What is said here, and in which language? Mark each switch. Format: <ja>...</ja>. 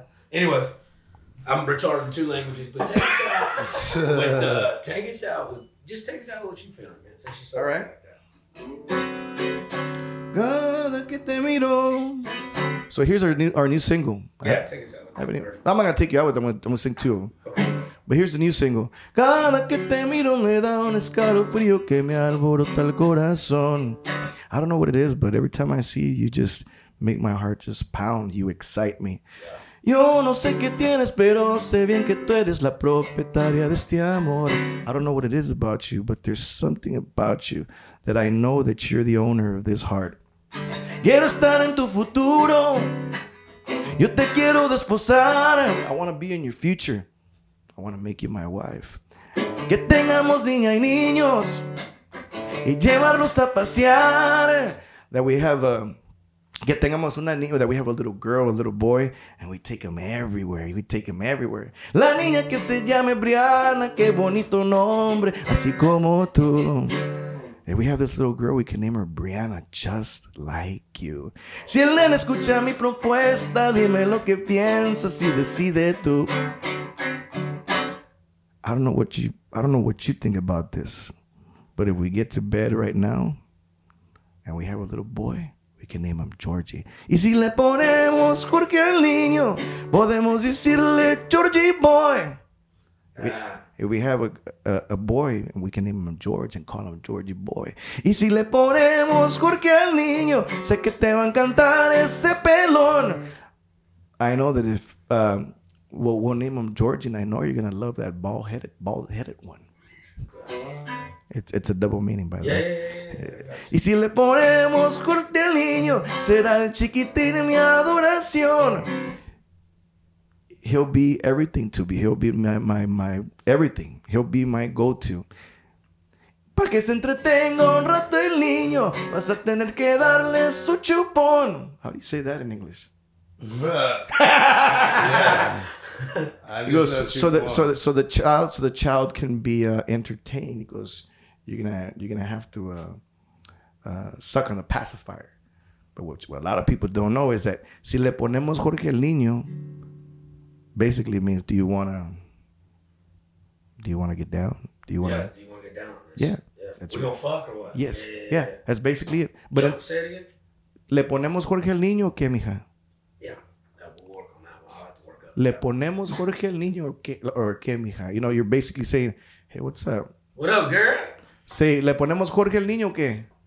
<en>Anyways, I'm retarded in two languages, but take us out with what you're feeling, man. All right. Like that. So here's our new single. Yeah, take us out. I'm not gonna take you out with them. I'm gonna sing two of them. But here's the new single.</en> <es>Cada que te miro me da un escalofrío que me alborota el corazón.</es> <en>I don't know what it is, but every time I see you, just make my heart just pound. You excite me.</en> <es>Yo no sé qué tienes, pero sé bien que tú eres la propietaria de este amor.</es> <en>I don't know what it is about you, but there's something about you that I know that you're the owner of this heart.</en> <es>Quiero estar en tu futuro. Yo te quiero desposar.</es> <en>I want to be in your future. I want to make you my wife.</en> <es>Que tengamos niña y niños y llevarlos a pasear.</es> <en>That we have a... that we have a little girl, a little boy, and we take him everywhere. We take him everywhere.</en> <es>La niña que se llame Brianna, qué bonito nombre, así como tú.</es> <en>If we have this little girl, we can name her Brianna, just like you.</en> <es>Si él escucha mi propuesta, dime lo que piensas, si decide tú.</es> <en>I don't know what you think about this, but if we get to bed right now, and we have a little boy, we can name him Georgie.</en> <es>Y si le ponemos Jorge al niño, podemos decirle Georgie boy.</es> <en>If we have a boy, we can name him George and call him Georgie boy.</en> <es>Y si le ponemos Jorge al niño, sé que te va a encantar ese pelón.</es> <en>I know that if we'll name him Georgie, and I know you're going to love that bald-headed one. It's a double meaning, by the way.</en> <es>Y si le ponemos Jorge al niño, será el chiquitín mi adoración.</es> <en>He'll be everything to me. He'll be my everything. He'll be my go-to.</en> <es>Pa' que se entretenga un rato el niño, vas a tener que darle su chupón.</es> <en>How do you say that in English? He goes, so the child can be entertained. He goes, you're gonna have to suck on the pacifier. But what a lot of people don't know is that si le ponemos Jorge el niño, basically means do you wanna get down? Do you wanna get down? Yeah, we gonna fuck or what? Yes, yeah. That's basically it. But say it again.</en> <es>Le ponemos Jorge el niño, ¿qué, mija?</es> <en>Yeah, that will work on that. I'll have to work up</en> <es>Le ponemos Jorge el niño or que mija.</es> <en>You know, you're basically saying, hey, what's up? What up, girl?</en> <es>Say, le ponemos Jorge el niño o qué?</es>